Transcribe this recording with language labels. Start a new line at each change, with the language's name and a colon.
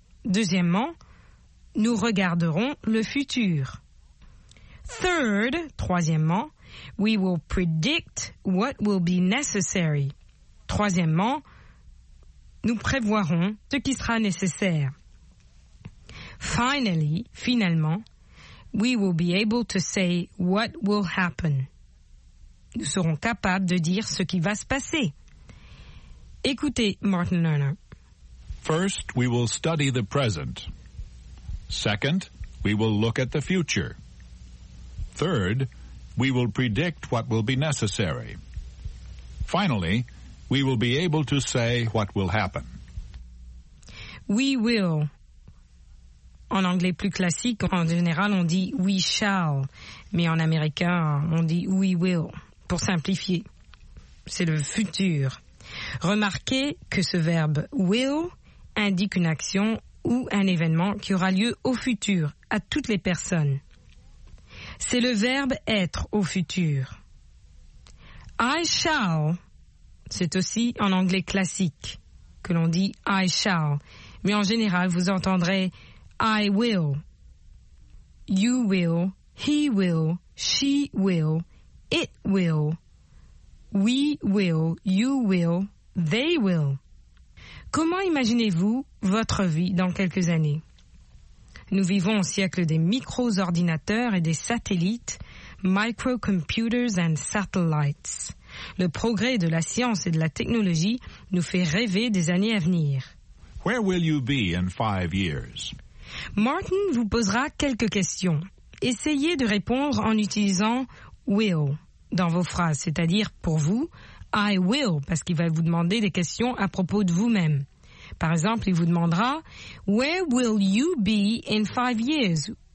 French: Deuxièmement, nous regarderons le futur.
English: Third,
French: troisièmement,
English: we will predict what will be necessary.
French: Troisièmement, nous prévoirons ce qui sera nécessaire.
English: Finally,
French: finalement,
English: we will be able to say what will happen.
French: Nous serons capables de dire ce qui va se passer. Écoutez, Martin Lerner.
English: First, we will study the present. Second, we will look at the future. Third, we will predict what will be necessary. Finally, we will be able to say what will happen. We will.
French: En anglais plus classique, en général, on dit
English: we shall.
French: Mais en américain, on dit
English: we will.
French: Pour simplifier, c'est le futur. Remarquez que ce verbe « will » indique une action ou un événement qui aura lieu au futur, à toutes les personnes. C'est le verbe « être » au futur. «
English: I shall
French: », c'est aussi en anglais classique que l'on dit « I shall », mais en général, vous entendrez «
English: I will
French: »,« you will »,« he will », »,« she will »,
English: It will, we will, you will, they will.
French: Comment imaginez-vous votre vie dans quelques années? Nous vivons au siècle des micro-ordinateurs et des satellites,
English: microcomputers and satellites.
French: Le progrès de la science et de la technologie nous fait rêver des années à venir.
English: Where will you be in 5 years?
French: Martin vous posera quelques questions. Essayez de répondre en utilisant will. Dans vos phrases, c'est-à-dire pour vous,
English: I will,
French: parce qu'il va vous demander des questions à propos de vous-même. Par exemple, il vous demandera,
English: Where will you be in 5 years?